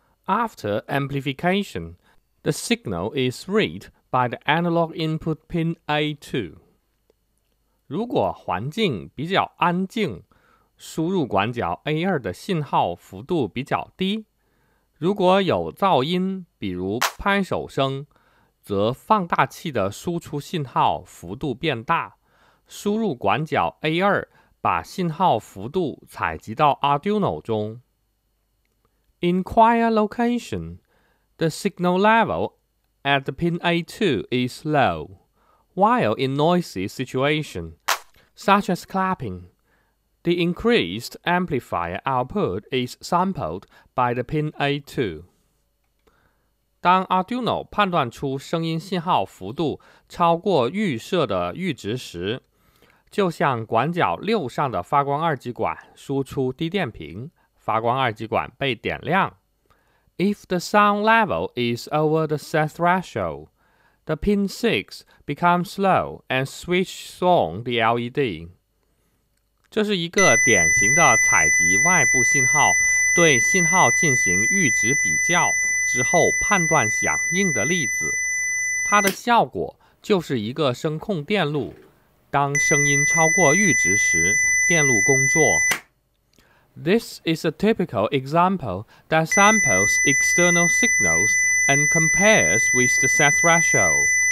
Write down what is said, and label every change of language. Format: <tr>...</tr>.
<en>After amplification, the signal is read by the analog input pin A2.</en> <zh>如果环境比较安静，输入管角 A2 的信号幅度比较低。如果有噪音，比如拍手声，则放大器的输出信号幅度变大，输入管角 A2 把信号幅度采集到 Arduino 中。</zh> <en>In quiet location, the signal level at the pin A2 is low, while in noisy situation, such as clapping,The increased amplifier output is sampled by the pin A2.</en> <zh>当 Arduino 判断出声音信号幅度超过预设的阈值时，就向管角6上的发光二极管输出低电平，发光二极管被点亮。</zh> <en>If the sound level is over the set threshold, the pin 6 becomes low and switches on the LED.</en> <zh>这是一个典型的采集外部信号，对信号进行阈值比较之后判断响应的例子。它的效果就是一个声控电路，当声音超过阈值时，电路工作。</zh> <en>This is a typical example that samples external signals and compares with the set threshold.</en>